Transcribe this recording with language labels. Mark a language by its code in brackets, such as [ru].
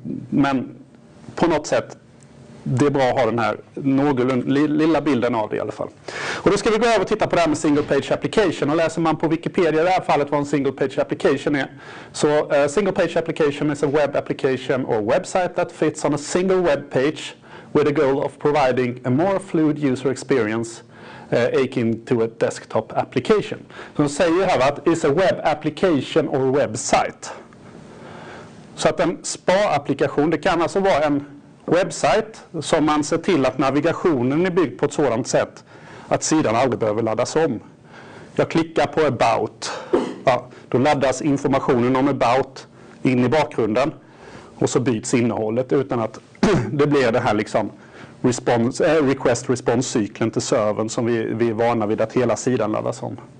[sv] Men på något sätt, det är bra att ha den här lilla bilden av det i alla fall. Och då ska vi gå över och titta på det här med single page application. Och läser man på Wikipedia i det här fallet vad en single page application är. [en] Så single page application is a web application or website that fits on a single web page with a goal of providing a more fluid user experience akin to a desktop application. [sv] Så de säger här att [en] it's a web application or website. [sv] Så att en SPA-applikation, det kan alltså vara en website som man ser till att navigationen är byggd på ett sådant sätt att sidan aldrig behöver laddas om. Jag klickar på about. Ja, då laddas informationen om about in i bakgrunden, och så byts innehållet utan att det blir det här liksom request-response-cykeln till servern som vi är vana vid att hela sidan laddas om.